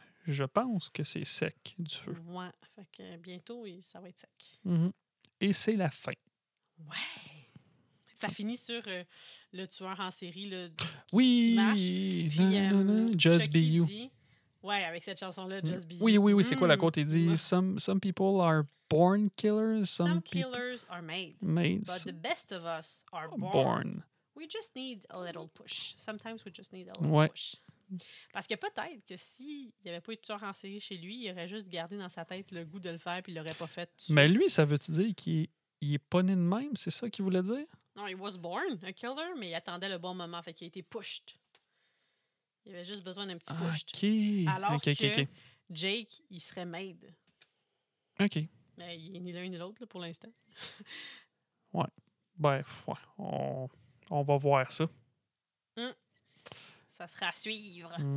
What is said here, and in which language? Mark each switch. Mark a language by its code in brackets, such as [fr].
[fr] Je pense que c'est sec, du feu. Ouais. Fait que bientôt, ça va être sec. Mm-hmm. Et c'est la fin. Ouais! Ça finit sur le tueur en série, là. Oui! Smash. Puis, Just Chucky Be You. Ouais, avec cette chanson-là, Just Be You. Oui. C'est quoi la quote? Il dit [en] Some people are born killers. Some killers are made. But the best of us are born. We just need a little push. Sometimes we just need a little push. [fr] Parce que peut-être que s'il n'y avait pas eu de tueur en série chez lui, il aurait juste gardé dans sa tête le goût de le faire et il ne l'aurait pas fait. Mais lui, ça veut-tu dire qu'il n'est pas né de même? C'est ça qu'il voulait dire? Non, [en] he was born a killer, [fr] mais il attendait le bon moment. Fait qu'il a été pushed. Il avait juste besoin d'un petit push. Okay. Alors que Jake, il serait made. OK. Mais il est ni l'un ni l'autre là, pour l'instant. Ouais. On va voir ça. Mm. Ça sera à suivre.